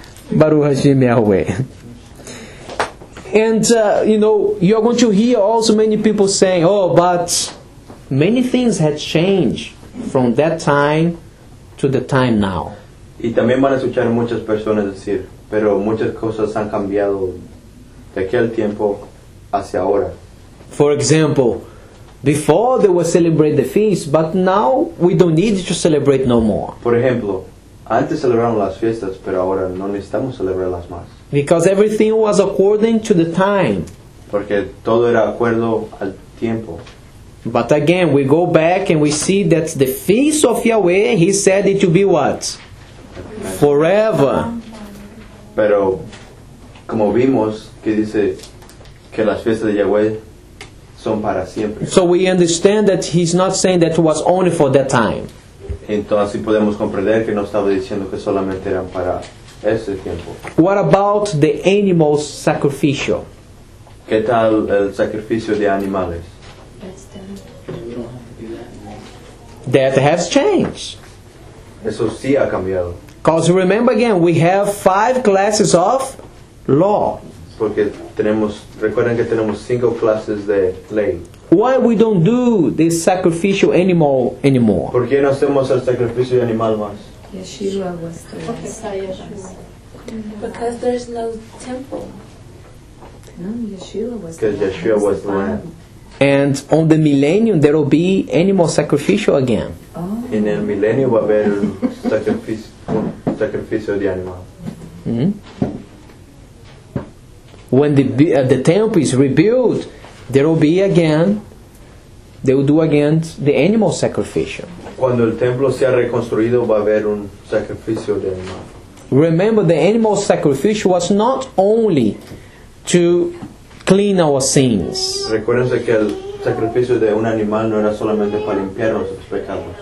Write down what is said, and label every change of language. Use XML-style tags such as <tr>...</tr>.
<he>Baruch Hashem Yahweh.</he> <en>And, you know, you're going to hear also many people saying, oh, but many things had changed from that time to the time now.</en> <es>Y también van a escuchar muchas personas decir, pero muchas cosas han cambiado de aquel tiempo hacia ahora.</es> <en>For example, before they were celebrate the feast, but now we don't need to celebrate no more.</en> <es>Por ejemplo, antes celebraron las fiestas, pero ahora no necesitamos celebrarlas más.</es> <en>Because everything was according to the time.</en> <es>Porque todo era acuerdo al tiempo.</es> <en>But again, we go back and we see that the feast of Yahweh, he said it to be what? Forever.</en> <es>Pero, como vimos, que dice que las fiestas de Yahweh son para siempre.</es> <en>So we understand that he's not saying that it was only for that time.</en> <es>Entonces podemos comprender que no estaba diciendo que solamente eran para ese tiempo.</es> <en>What about the animal sacrificial?</en> <es>¿Qué tal el sacrificio de animales?</es> <en>That has changed.</en> <es>Eso sí ha cambiado.</es> <en>Because remember again, we have five classes of law.</en> <es>Porque tenemos, recuerden que tenemos cinco clases de ley.</es> <en>Why we don't do this sacrificial animal anymore?</en> <es>¿Por qué no hacemos el sacrificio de animal más?</es> <en>Yeshua was the Because there's no temple. No, Yeshua was Because Yeshua was the lamb. And on the millennium, there will be animal sacrificial again. Oh. In the millennium, there will be sacrificial de animal. Mm-hmm. When the temple is rebuilt, there will be again, they will do again the animal sacrificial.</en> <es>Cuando el templo sea reconstruido, va a haber un sacrificio de animal.</es> <en>Remember, the animal sacrifice was not only to clean our sins.</en> <es>Recuérdense que el sacrificio de un animal no era solamente para limpiar nuestros pecados.</es>